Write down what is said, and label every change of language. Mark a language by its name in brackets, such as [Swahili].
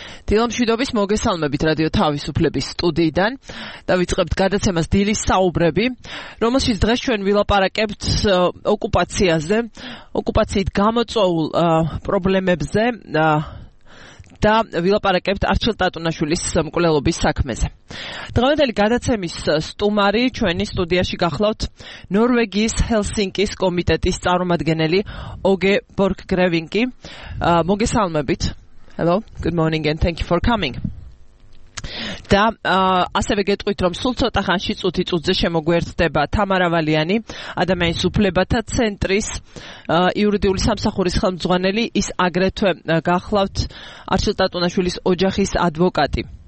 [Georgian] დილო მშვიდობის მოგესალმებით რადიო თავისუფლების სტუდიიდან და ვიწყებთ გადაცემას დილის საუბრები, რომელშიც დღეს ჩვენ ვილაპარაკებთ ოკუპაციაზე, ოკუპაციით გამოწვეულ პრობლემებზე და ვილაპარაკებთ არჩილ ტატუნაშვილის მკვლელობის საქმეზე. დღევანდელი გადაცემის სტუმარი ჩვენი სტუდიაში გახლავთ ნორვეგიის ჰელსინკის კომიტეტის წარმომადგენელი ოგე ბორგგრევინკი. მოგესალმებით. [English] Hello, good morning and thank you for coming. [Georgian] და ასევე გეტყვით, რომ სულ ცოტა ხანში წუთი წუთზე შემოგვერთდება თამარ ავალიანი, ადამიანის უფლებათა ცენტრის იურიდიული სამსახურის ხელმძღვანელი, ის აგრეთვე გახლავთ არჩილ ტატუნაშვილის ოჯახის ადვოკატი.